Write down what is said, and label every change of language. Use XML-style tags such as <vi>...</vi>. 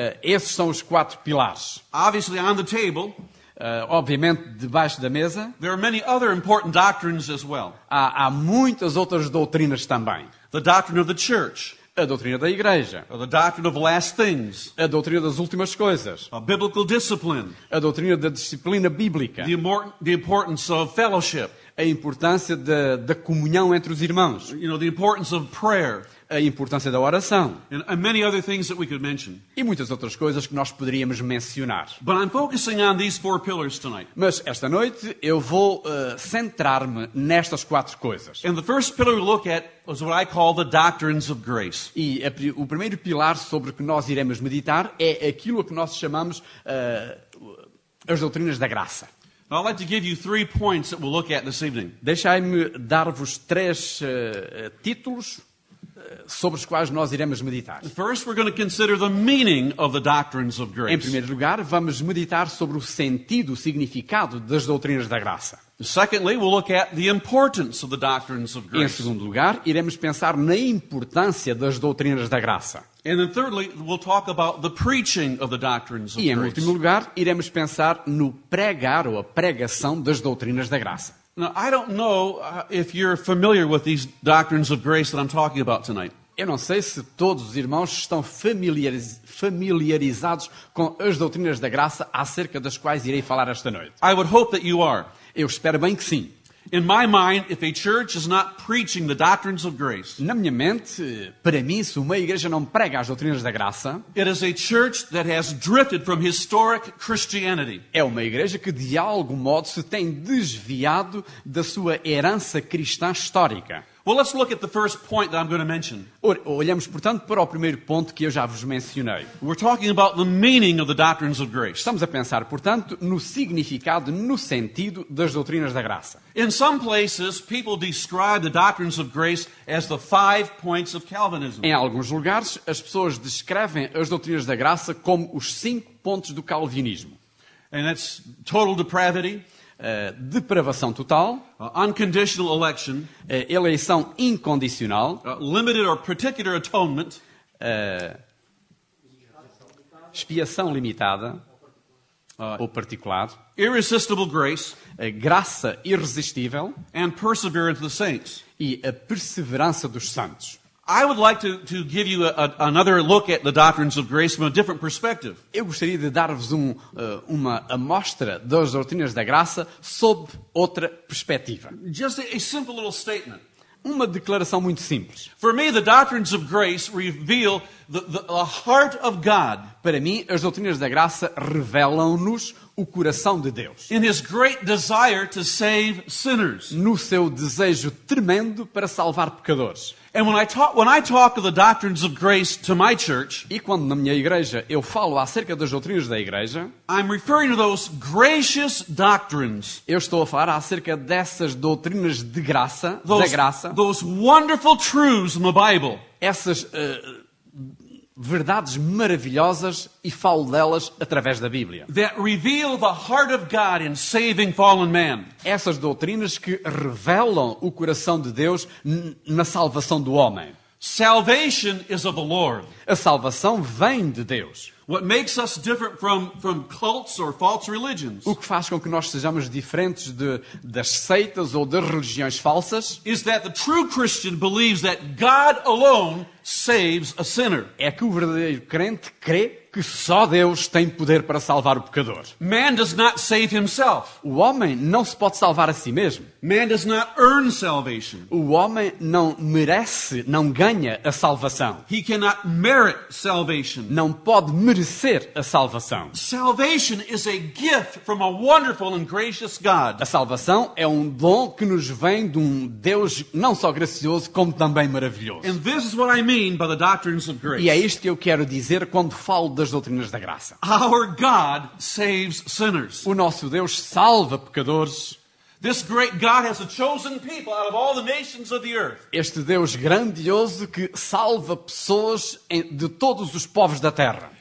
<pt>Esses são os quatro pilares.</pt> <en>Obviously, on the table,</en> <pt>obviamente, debaixo da mesa,</pt> <en>there are many other important doctrines as well.</en> <pt>Há muitas outras doutrinas também.</pt> <en>The doctrine of the church.</en> <pt>A doutrina da igreja.</pt> <en>The doctrine of last things.</en> <pt>A doutrina das últimas coisas.</pt> <en>A biblical discipline.</en> <pt>A doutrina da disciplina bíblica.</pt> <en>The importance of fellowship.</en> <pt>A importância da comunhão entre os irmãos.</pt> <en>You know, the importance of prayer.</en> <pt>A importância da oração.</pt> <en>And many other things that we could mention.</en> <pt>E muitas outras coisas que nós poderíamos mencionar.</pt> <en>But I'm focusing on these four pillars tonight.</en> <pt>Mas esta noite eu vou centrar-me nestas quatro coisas.</pt> <en>And the first pillar we look at is what I call the doctrines of grace.</en> <pt>E o primeiro pilar sobre que nós iremos meditar é aquilo que nós chamamos as doutrinas da graça.</pt> <en>I'd like to give you three points that we'll look at this evening.</en> <pt>Deixai-me dar-vos três títulos sobre os quais nós iremos meditar.</pt> <en>First, we're going to consider the meaning of the doctrines of grace.</en> <pt>Em primeiro lugar, vamos meditar sobre o sentido, o significado das doutrinas da graça.</pt> <en>Secondly, we'll look at the importance of the doctrines of grace.</en> <pt>Em segundo lugar, iremos pensar na importância das doutrinas da graça.</pt> <en>And then thirdly, we'll talk about the preaching of the doctrines of grace.</en> <pt>E em último lugar, iremos pensar no pregar ou a pregação das doutrinas da graça.</pt> <en>Now, I don't know if you're familiar with these doctrines of grace that I'm talking about tonight.</en> <pt>Eu não sei se todos os irmãos estão familiarizados com as doutrinas da graça acerca das quais irei falar esta noite.</pt> <en>I would hope that you are.</en> <pt>Eu espero bem que sim.</pt> <en>In my mind, if a church is not preaching the doctrines of grace,</en> <pt>na minha mente, para mim, se uma igreja não prega as doutrinas da graça,</pt> <en>it is a church that has drifted from historic Christianity.</en> <pt>É uma igreja que de algum modo se tem desviado da sua herança cristã histórica.</pt> <en>Well, let's look at the first point that I'm going to mention.</en> <pt>Olhamos, portanto, para o primeiro ponto que eu já vos mencionei.</pt> <en>We're talking about the meaning of the doctrines of grace.</en> <pt>Estamos a pensar, portanto, no significado, no sentido das doutrinas da graça.</pt> <en>In some places, people describe the doctrines of grace as the five points of Calvinism.</en> <pt>Em alguns lugares, as pessoas descrevem as doutrinas da graça como os cinco pontos do calvinismo.</pt> <en>And that's total depravity.</en> <pt>Depravação total,</pt> <en>unconditional election,</en> <pt>eleição incondicional,</pt> <en>limited or particular atonement,</en> <pt>expiação limitada ou particular,</pt> <en>irresistible grace,</en> <pt>graça irresistível,</pt> <en>and perseverance of the saints.</en> <pt>E a perseverança dos santos.</pt> <en>I would like to give you another look at the doctrines of grace from a different perspective.</en> <pt>Eu gostaria de dar-vos uma amostra das doutrinas da graça sob outra perspectiva.</pt> <en>Just a simple little statement.</en> <pt>Uma declaração muito simples.</pt> <en>For me, the doctrines of grace reveal the heart of God.</en> <pt>Para mim, as doutrinas da graça revelam-nos o coração de Deus.</pt> <en>In his great desire to save sinners.</en> <pt>No seu desejo tremendo para salvar pecadores.</pt> <en>And when I talk of the doctrines of grace to my church,</en> <pt>e quando na minha igreja eu falo acerca das doutrinas da igreja,</pt> <en>I'm referring to those gracious doctrines.</en> <pt>Eu estou a falar acerca dessas doutrinas de graça, da graça.</pt> <en>Those wonderful truths in the Bible.</en> <pt>Essas verdades maravilhosas e falo delas através da Bíblia.</pt> <en>That reveal the heart of God in saving fallen man.</en> <pt>Essas doutrinas que revelam o coração de Deus na salvação do homem.</pt> <en>Salvation is of the Lord.</en> <pt>A salvação vem de Deus.</pt> <en>What makes us different from cults or false religions?</en> <pt>O que faz com que nós sejamos diferentes das seitas ou das religiões falsas?</pt> <en>Is that the true Christian believes that God alone saves a sinner?</en> <pt>É que o verdadeiro crente crê que só Deus tem poder para salvar o pecador.</pt> <en>Man does not save himself.</en> <pt>O homem não se pode salvar a si mesmo.</pt> <en>Man does not earn salvation.</en> <pt>O homem não merece, não ganha a salvação.</pt> <en>He cannot merit salvation.</en> <pt>Não pode merecer a salvação.</pt> <en>Salvation is a gift from a wonderful and gracious God.</en> <pt>A salvação é um dom que nos vem de um Deus não só gracioso, como também maravilhoso.</pt> <en>And this is what I mean by the doctrines of grace.</en> <pt>E é isto que eu quero dizer quando falo das doutrinas da graça.</pt> <en>Our God saves sinners.</en> <pt>O nosso Deus salva pecadores.</pt> <en>This great God has a chosen people out of all the nations of the earth.</en> <pt>Este Deus grandioso que salva pessoas de todos os povos da terra.</pt>